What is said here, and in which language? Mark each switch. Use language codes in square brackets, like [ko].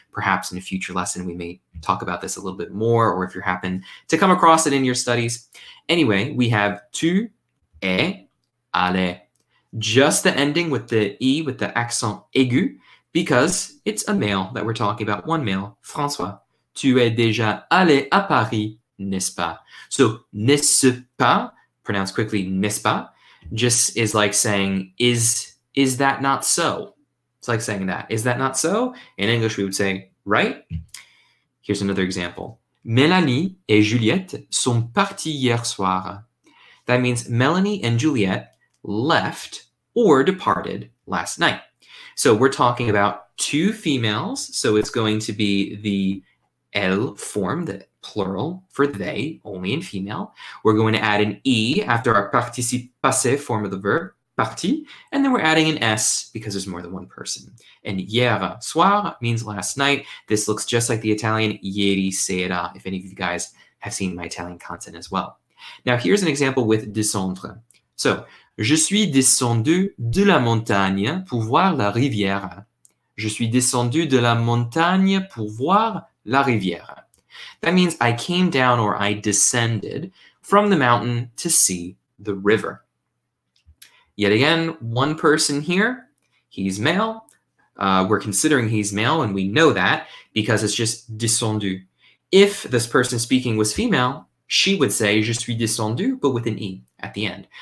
[en] Perhaps in a future lesson, we may talk about this a little bit more, or if you happen to come across it in your studies. Anyway, we have [fr] tu es allé, [en] just the ending with the E, with the accent aigu, because it's a male that we're talking about, one male, François. [fr] Tu es déjà allé à Paris, n'est-ce pas? [en] So, [fr] n'est-ce pas, [en] pronounced quickly, n'est-ce pas, just is like saying, is that not so? It's like saying that, is that not so? In English, we would say, right? Here's another example. [fr] Mélanie et Juliette sont partis hier soir. [en] That means Melanie and Juliette left or departed last night. So we're talking about two females. So it's going to be the L form, the plural for they, only in female. We're going to add an E after our participe passé form of the verb, parti. And then we're adding an S because there's more than one person. And [fr] hier soir [en] means last night. This looks just like the Italian [it] ieri sera, [en] if any of you guys have seen my Italian content as well. Now, here's an example with descendre. [fr] So, je suis descendu de la montagne pour voir la rivière. Je suis descendu de la montagne pour voir la rivière. [en] That means I came down or I descended from the mountain to see the river. Yet again, one person here, he's male. We're considering he's male, and we know that because it's just descendu. If this person speaking was female, she would say, [fr] je suis descendu, [en] but with an E at the end.